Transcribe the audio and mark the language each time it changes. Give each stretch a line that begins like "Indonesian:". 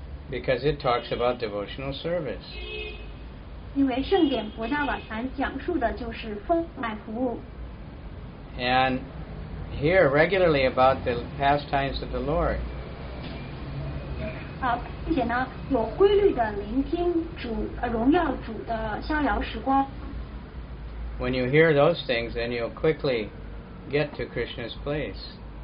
English: Because it talks about devotional service. And hear regularly about the pastimes of the Lord.
Chinese: 并且呢，有规律的聆听主荣耀主的逍遥时光。
English: When you hear those things, then you'll quickly get to Krishna's place.